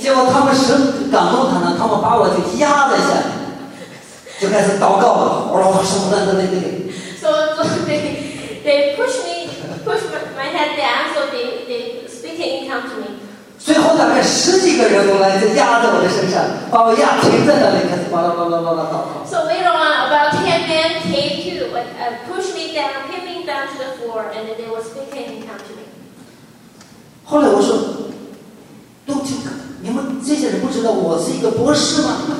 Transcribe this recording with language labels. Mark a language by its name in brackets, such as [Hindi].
[Chinese] 结果他们神感动他呢，他们把我就压在下面，就开始祷告了，我说什么的那个。 [English] So they push my head down, so they speaking in tongues to me. [Chinese] 最后大概十几个人都来就压在我的身上，把我压停在那里，开始巴拉祷告。 [English] So later on, about 10 men came to push me down, pinning down to the floor, and they were speaking in tongues to me. [Chinese] 后来我说。都听，你们这些人不知道我是一个博士吗？